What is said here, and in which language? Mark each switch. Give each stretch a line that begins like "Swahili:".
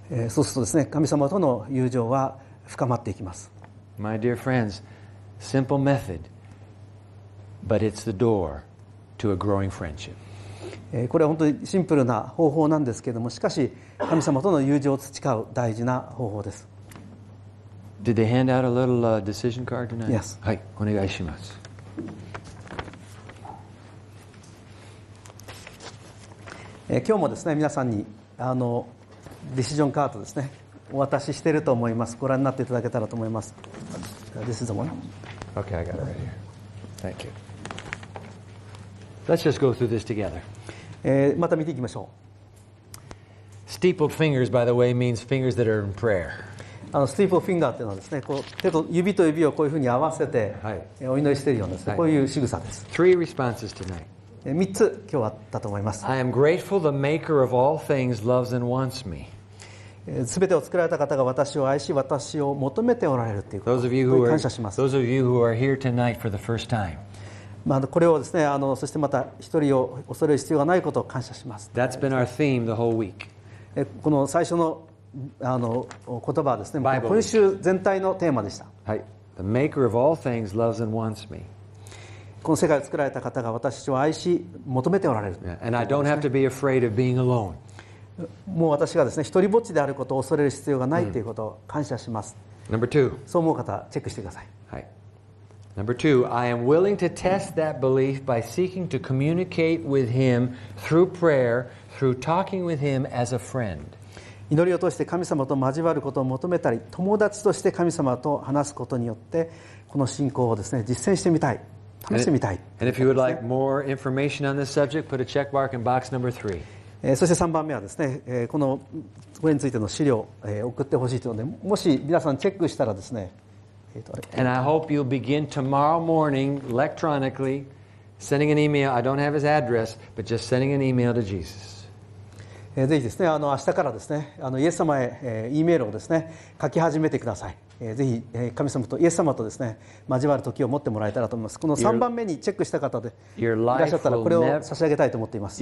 Japanese: そうするとですね、神様との友情は深まっていきます。
English: My dear friends, simple method, but it's the door to a growing friendship.
Japanese: これは本当にシンプルな方法なんですけれども、しかし神様との友情を培う大事な方法です。
English: Did they hand out a little decision card tonight? Yes.
Japanese: はい、お願いします。今日もですね、皆さんにディシジョンカードですね。お渡ししていると思います。ご覧になっていただけたらと思います。
English: This is the one. Okay, I got it right here. Thank you. Let's just go through this together.
Japanese: また見ていきましょう。
English: Steepled fingers, by the way, means fingers that are in prayer.
Japanese: Steepled finger というのはですね、こう手と指と指をこういうふうに合わせて、はい、お祈りしているようなですね、はい、こういう仕草です。
English: Three responses tonight.
Japanese: 3つ今日あったと思います。
English: I am grateful the maker of all things loves and wants me.
Japanese: すべてを作られた方が私を愛し私を求めておられるということに感謝します。
English: Those of you who are here tonight for the first time、
Japanese: まあ、これをですね、そしてまた一人を恐れる必要がないことを感謝します。
English: That's been our theme the whole week。
Japanese: この最初の、言葉はですね、今週全体のテーマでした。はい。
English: The maker of all things loves and wants me。
Japanese: この世界を作られた方が私を愛し求めておられる、
English: And I don't have to be afraid of being alone
Japanese: もう私がですね、一人ぼっちであることを恐れる必要がないということを感謝します。
English: Number two.
Japanese: そう思う方、チェックしてください。はい。
English: Number two, I am willing to test that belief by seeking to communicate with him through prayer, through talking with him as a friend.
Japanese: 祈りを通して神様と交わることを求めたり、友達として神様と話すことによって、この信仰をですね、実践してみたい。試してみたい。
English: And if you would like more information on this subject, put a check mark in box number three.
Japanese: そして3番目はですね、このこれについての資料を送ってほしいというので、もし皆さんチェックしたらですね、
English: And I hope you'll begin tomorrow morning electronically sending an email. I don't have his address, but just sending an email to Jesus.
Japanese: ぜひですね、明日からですね、イエス様へ E メールをですね、書き始めてください。ぜひ神様とイエス様とですね、交わる時を持ってもらえたらと思います。この3番目にチェックした方でいらっしゃったら、これを差し上げたいと思っています。